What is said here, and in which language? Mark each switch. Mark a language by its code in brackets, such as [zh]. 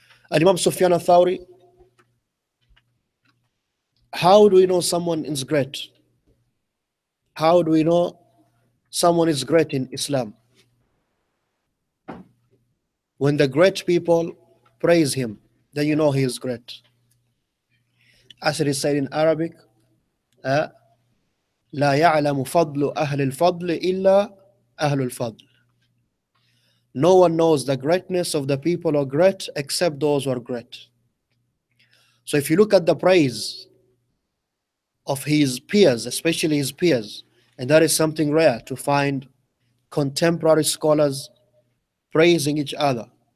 [en] And Imam Sufyan al-Thawri, how do we know someone is great? How do we know someone is great in Islam? When the great people praise him, then you know he is great. As it is said in Arabic, [ar] لا يعلم فضل أهل الفضل إلا أهل الفضل. [en] No one knows the greatness of the people who are great except those who are great. So if you look at the praise of his peers, especially his peers, and that is something rare to find contemporary scholars praising each other.